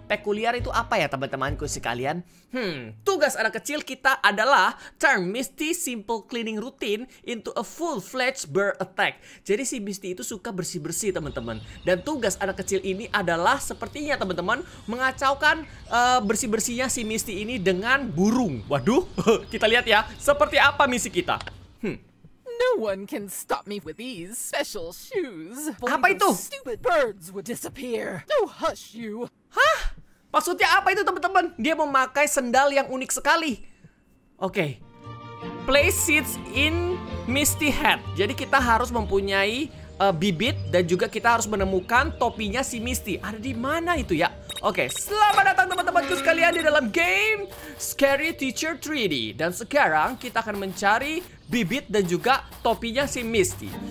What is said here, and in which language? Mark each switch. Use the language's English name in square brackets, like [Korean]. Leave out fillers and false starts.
[Indonesian] Peculiar itu apa ya teman-temanku sekalian? Tugas anak kecil kita adalah [English] turn Misty simple cleaning routine into a full-fledged bear attack. [Indonesian] Jadi si Misty itu suka bersih-bersih teman-teman. Dan tugas anak kecil ini adalah sepertinya teman-teman mengacaukan bersih-bersihnya si Misty ini dengan burung. Waduh, kita lihat ya seperti apa misi kita. [English] No one can stop me with these special shoes. [Indonesian] Apa itu? [English] Stupid birds would disappear. Oh, hush you. [Indonesian] Hah? Maksudnya apa itu teman-teman? Dia memakai sendal yang unik sekali. Oke. [English] Place seeds in Misty hat. [Indonesian] Jadi kita harus mempunyai bibit dan juga kita harus menemukan topinya si Misty. Ada di mana itu ya? Oke, selamat datang teman-temanku sekalian di dalam game Scary Teacher 3D. Dan sekarang kita akan mencari bibit dan juga topinya si Misty.